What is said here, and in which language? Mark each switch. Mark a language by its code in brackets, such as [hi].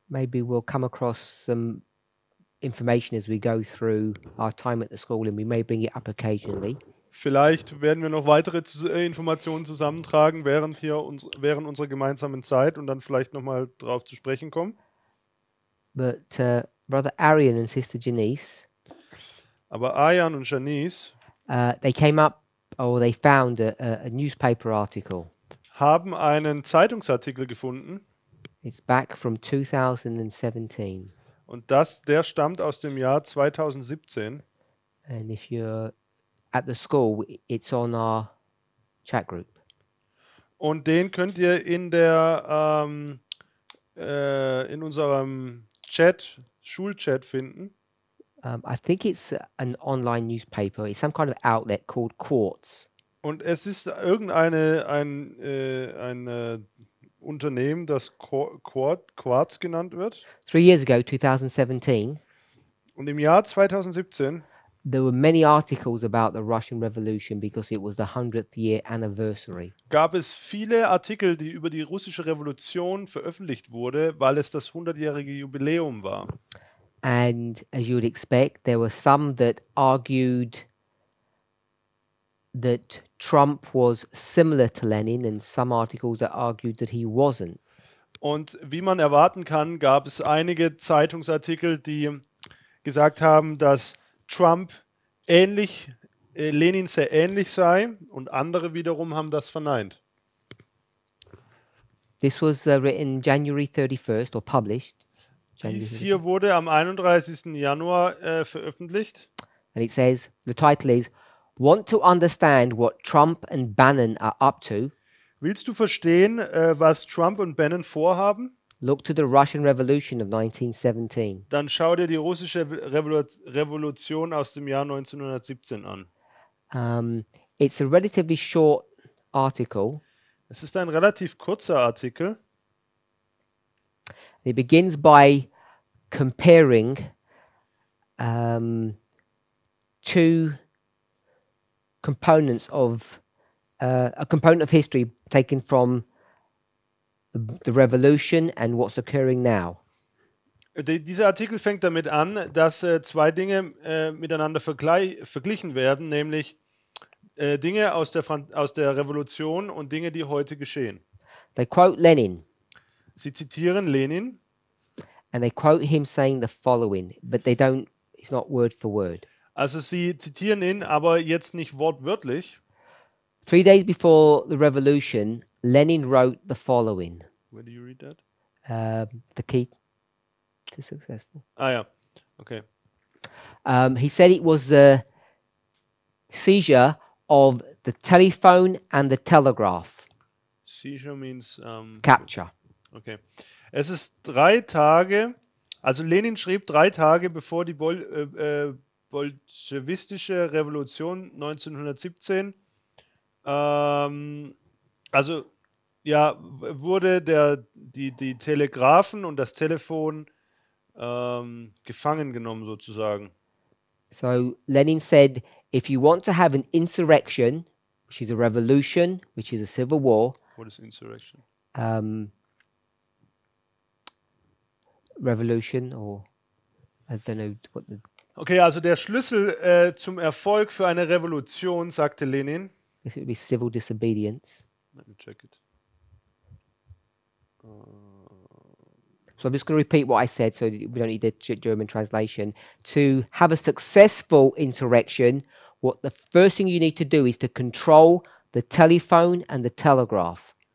[en] Maybe we'll come across some information as we go through our time at the school, and we may bring it up occasionally. [de] Vielleicht werden wir noch weitere Informationen zusammentragen während hier während unserer gemeinsamen Zeit und dann vielleicht noch mal drauf zu sprechen kommen. [en] But Brother Arian and Sister Janice. [de] Aber Arian und Janice. [en] They came up, or they found a newspaper article. [de] Haben einen Zeitungsartikel gefunden. [en] It's back from 2017. [de] Und das, der stammt aus dem Jahr 2017. [en] And if you're at the school, it's on our chat group. [de] Und den könnt ihr in der in unserem Chat, Schulchat finden. [en] I think it's an online newspaper. It's some kind of outlet called Quartz. [de] Und es ist irgendeine ein Unternehmen, das Quartz genannt wird. [en] 3 years ago, 2017. [de] Und im Jahr 2017. [en] There were many articles about the Russian Revolution because it was the 100th year anniversary. [de] Gab es viele Artikel, die über die russische Revolution veröffentlicht wurde, weil es das 100-jährige Jubiläum war. [en] And as you would expect, there were some that argued that Trump was similar to Lenin, and some articles that argued that he wasn't. [de] Und wie man erwarten kann, gab es einige Zeitungsartikel, die gesagt haben, dass Trump ähnlich Lenin sehr ähnlich sei, und andere wiederum haben das verneint. [en] This was written January 31st or published. [de] Dies hier wurde am 31. Januar veröffentlicht. [en] And it says, the title is, want to understand what Trump and Bannon are up to? [de] Willst du verstehen, was Trump und Bannon vorhaben? [en] Look to the Russian Revolution of 1917. [de] Dann schau dir die russische Revolution aus dem Jahr 1917 an. [en] It's a relatively short article. [de] Es ist ein relativ kurzer Artikel. [en] It begins by comparing two components of a component of history taken from the revolution and what's occurring now. [de] Dieser Artikel fängt damit an, dass zwei Dinge miteinander verglichen werden, nämlich Dinge aus der Revolution und Dinge, die heute geschehen. [en] They quote Lenin. [de] Sie zitieren Lenin. [en] And they quote him saying the following, but they don't, it's not word for word. [de] Also sie zitieren ihn, aber jetzt nicht wortwörtlich. [en] 3 days before the revolution, Lenin wrote the following. Where do you read that? The key to successful. [de] Ah ja, okay. [en] He said it was the seizure of the telephone and the telegraph. Seizure means... capture. Okay. [de] Es ist 3 Tage, also Lenin schrieb 3 Tage, bevor die bolschewistische Revolution 1917, also ja, wurde die Telegrafen und das Telefon gefangen genommen sozusagen. [en] So Lenin said, if you want to have an insurrection, which is a revolution, which is a civil war. What is insurrection? Revolution or I don't know what the [de] okay, also der Schlüssel zum Erfolg für eine Revolution, sagte Lenin. [en] If it would be civil disobedience. Let me check it. So I'm just going to repeat what I said so we don't need the German translation. To have a successful insurrection, what the first thing you need to do is to control the telephone and the telegraph.